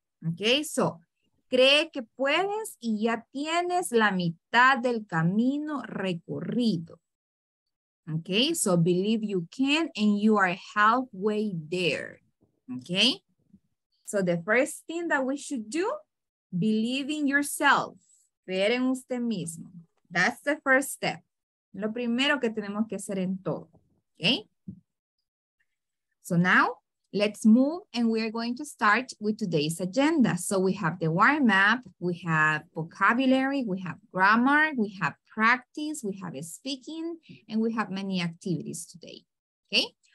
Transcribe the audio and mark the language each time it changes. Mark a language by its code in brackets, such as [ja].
[en] Okay, so [es] cree que puedes y ya tienes la mitad del camino recorrido. [en] Okay, so believe you can and you are halfway there. Okay, so the first thing that we should do, believe in yourself, [es] creer en usted mismo. [en] That's the first step. [es] Lo primero que tenemos que hacer en todo. [en] Okay, so now, let's move and we are going to start with today's agenda. So we have the warm up, we have vocabulary, we have grammar, we have practice, we have speaking, and we have many activities today, okay?